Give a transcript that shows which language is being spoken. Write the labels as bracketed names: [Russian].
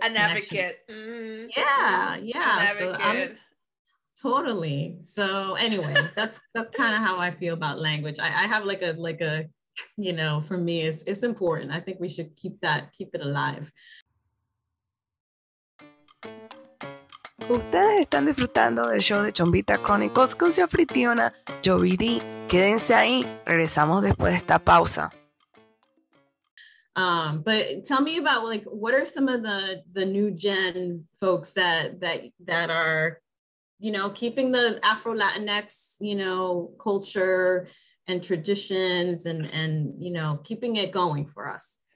[English] connections. An advocate. Yeah. An advocate. Totally. So anyway, that's kind of how I feel about language. I have like a, you know, for me, it's important. I think we should keep it alive. [Spanish] Ustedes están disfrutando del show de Chombita Chronicles con su anfitriona, Jovi D. Quédense ahí. Regresamos después de esta pausa. [English] But tell me about, like, what are some of the new gen folks that are, you know, keeping the Afro-Latinx, you know, culture and traditions and, you know, keeping it going for us?